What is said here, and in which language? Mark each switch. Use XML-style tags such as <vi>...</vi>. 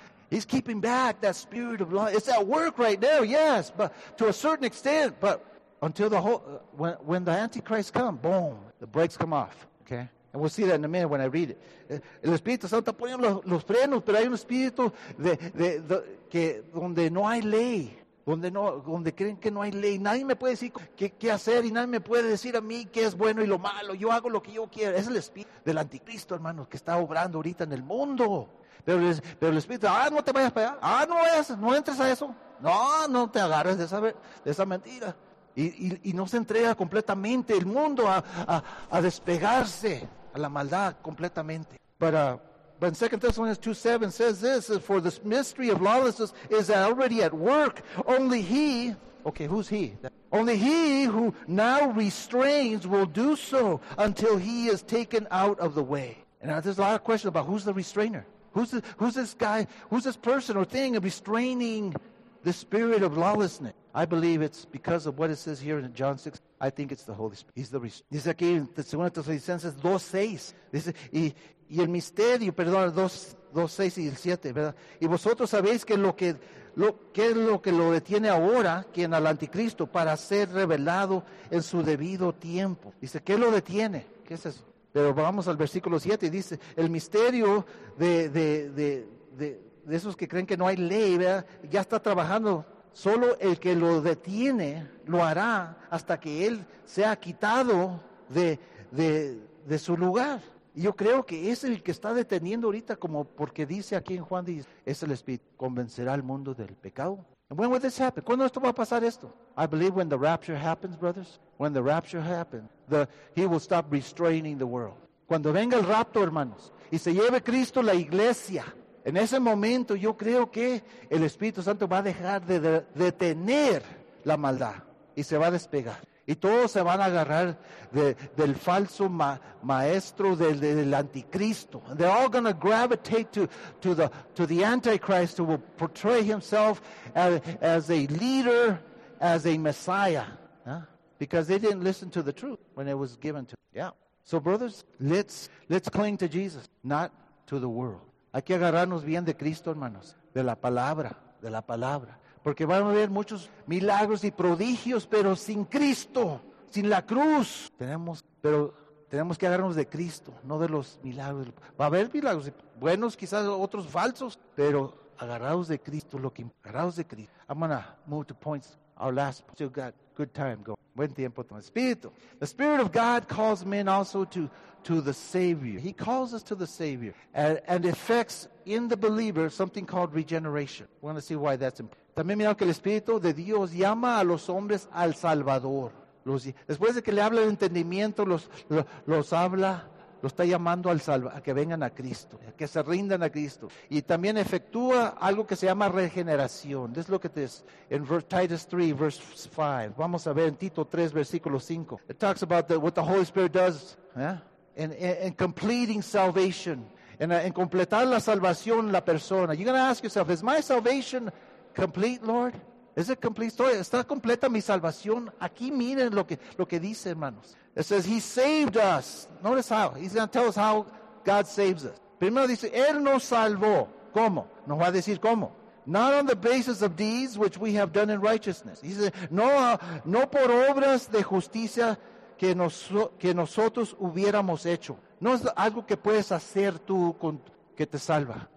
<en>He's keeping back that spirit of law. It's at work right now, yes, but to a certain extent. But until the whole, when the Antichrist comes, boom, the brakes come off, okay? And we'll see that in a minute when I read it.</en> <es>El Espíritu Santo pone los frenos, pero hay un espíritu de que donde no hay ley, donde creen que no hay ley. Nadie me puede decir qué hacer, y nadie me puede decir a mí qué es bueno y lo malo. Yo hago lo que yo quiero. Es el espíritu del anticristo, hermanos, que está obrando ahorita en el mundo. Pero el espíritu, no te vayas para allá. No entres a eso. No te agarres de esa mentira. Y no se entrega completamente el mundo a despegarse a la maldad completamente.</es> <en>But 2 Thessalonians 2:7 says this, for the mystery of lawlessness is already at work. Only he, okay, who's he? Only he who now restrains will do so until he is taken out of the way. And now there's a lot of questions about who's the restrainer. Who's this guy, who's this person or thing of restraining the spirit of lawlessness? I believe it's because of what it says here in John 6. I think it's the Holy Spirit. He's the restrainer.</en> <es>Dice aquí en 2 Tesalonicenses 2:6. Dice, y el misterio, perdón, 2, 2, 6 y 7, ¿verdad? Y vosotros sabéis que lo detiene ahora, quien al anticristo, para ser revelado en su debido tiempo. Dice, ¿qué lo detiene? ¿Qué es eso? Pero vamos al versículo 7 y dice, el misterio de esos que creen que no hay ley, ¿verdad? Ya está trabajando. Solo el que lo detiene lo hará hasta que él sea quitado de su lugar. Yo creo que es el que está deteniendo ahorita, como porque dice aquí en Juan, es el Espíritu, convencerá al mundo del pecado.</es> <en>When will this happen?</en> <es>¿Cuándo esto va a pasar esto?</es> <en>I believe when the rapture happens, brothers. When the rapture happens, he will stop restraining the world.</en> <es>Cuando venga el rapto, hermanos, y se lleve Cristo la iglesia, en ese momento yo creo que el Espíritu Santo va a dejar de detener la maldad y se va a despegar. Y todos se van a agarrar del falso maestro, del anticristo.</es> <en>They're all going to gravitate to the antichrist, who will portray himself as a leader, as a messiah. Huh? Because they didn't listen to the truth when it was given to them. Yeah. So brothers, let's cling to Jesus, not to the world.</en> <es>Hay que agarrarnos bien de Cristo, hermanos, de la palabra. Porque van a haber muchos milagros y prodigios, pero sin Cristo, sin la cruz. Tenemos que agarrarnos de Cristo, no de los milagros. Va a haber milagros, buenos quizás, otros falsos, pero agarrados de Cristo, lo que agarrados de Cristo.</es> <en>I'm going to move to points, our last point. Still got good time going.</en> <es>Buen tiempo. Espíritu.</es> <en>The Spirit of God calls men also to the Savior. He calls us to the Savior. And affects in the believer something called regeneration. We're going to see why that's important.</en> <es>También mira que el Espíritu de Dios llama a los hombres al Salvador. Después de que le habla el entendimiento, los está llamando a que vengan a Cristo, a que se rindan a Cristo. Y también efectúa algo que se llama regeneración.</es> <en>Let's look at this in Titus 3, verse 5.</en> <es>Vamos a ver en Tito 3, versículo 5.</es> <en>It talks about what the Holy Spirit does, yeah? in completing salvation,</en> <es>en completar la salvación la persona.</es> <en>You're going to ask yourself, is my salvation complete, Lord? Is it complete?</en> <es>¿Está completa mi salvación? Aquí miren lo que dice, hermanos.</es> <en>It says, he saved us. Notice how. He's going to tell us how God saves us.</en> <es>Primero dice, Él nos salvó. ¿Cómo? Nos va a decir cómo.</es> <en>Not on the basis of deeds which we have done in righteousness. He says,</en> <es>no por obras de justicia que nosotros hubiéramos hecho. No es algo que puedes hacer tú que te salva.</es>